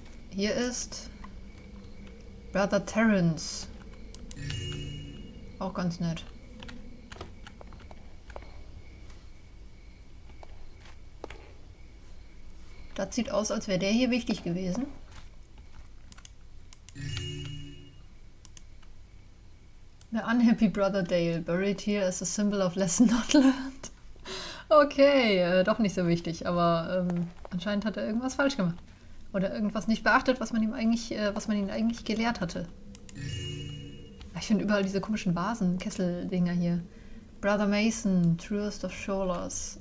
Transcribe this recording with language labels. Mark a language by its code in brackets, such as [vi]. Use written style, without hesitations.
[de] Hier ist... Brother Terence. Auch ganz nett. Das sieht aus, als wäre der hier wichtig gewesen. [en] The unhappy brother Dale, buried here as a symbol of lesson not learned. [de] Okay, doch nicht so wichtig, aber anscheinend hat er irgendwas falsch gemacht. Oder irgendwas nicht beachtet, was man ihm eigentlich gelehrt hatte. Ich finde überall diese komischen Vasen, Kesseldinger hier. [en] Brother Mason, truest of Scholars.